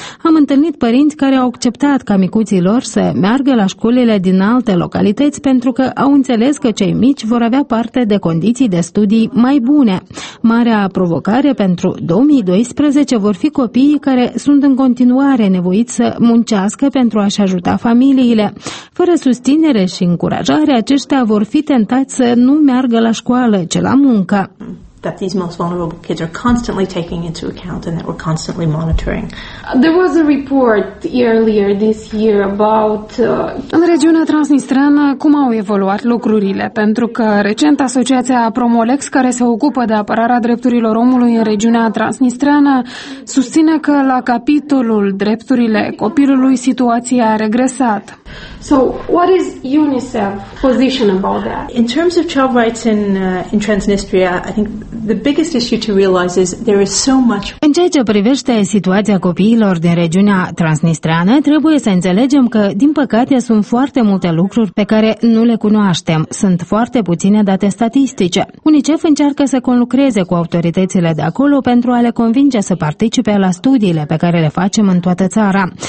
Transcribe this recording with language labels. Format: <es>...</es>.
<ro>Am întâlnit părinți care au acceptat ca micuții lor să meargă la școlile din alte localități pentru că au înțeles că cei mici vor avea parte de condiții de studii mai bune. Marea provocare pentru 2012 vor fi copiii care sunt în continuare nevoiți să muncească pentru a-și ajuta familiile. Fără susținere și încurajare, aceștia vor fi tentați să nu meargă la școală, ci la muncă.</ro> <en>That these most vulnerable kids are constantly taking into account and that we're constantly monitoring. There was a report earlier this year about</en> <ro>în regiunea transnistreană cum au evoluat lucrurile, pentru că recent asociația Promolex, care se ocupă de apărarea drepturilor omului în regiunea transnistreană, susține că la capitolul drepturile copilului situația a regresat.</ro> <en>So, what is UNICEF's position about that? In terms of child rights in Transnistria, I think the biggest issue to realize is there is so much.</en> <ro>În ceea ce privește situația copiilor din regiunea transnistreană, trebuie să înțelegem că, din păcate, sunt foarte multe lucruri pe care nu le cunoaștem. Sunt foarte puține date statistice. UNICEF încearcă să conlucreze cu autoritățile de acolo pentru a le convinge să participe la studiile pe care le facem în toată țara.</ro>